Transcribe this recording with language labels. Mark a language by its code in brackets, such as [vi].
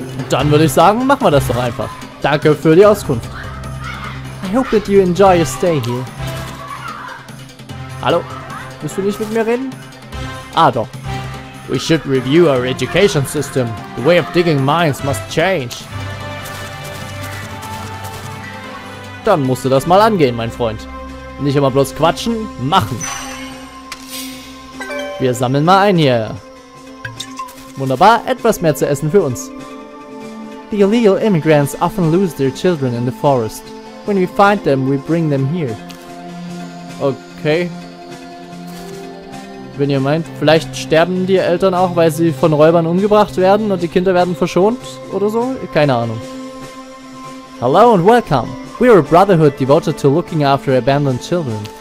[de] Dann würde ich sagen, machen wir das doch einfach. Danke für die Auskunft. [en] I hope that you enjoy your stay here. [de] Hallo? Willst du nicht mit mir reden? Ah, doch. [en] We should review our education system. The way of digging mines must change. [de] Dann musst du das mal angehen, mein Freund. Nicht immer bloß quatschen, machen. Wir sammeln mal ein hier. Wunderbar, etwas mehr zu essen für uns. [en] The illegal immigrants often lose their children in the forest. When we find them, we bring them here. Okay. [de] Wenn ihr meint, vielleicht sterben die Eltern auch, weil sie von Räubern umgebracht werden und die Kinder werden verschont oder so? Keine Ahnung. [en] Hello and welcome. We are a brotherhood devoted to looking after abandoned children.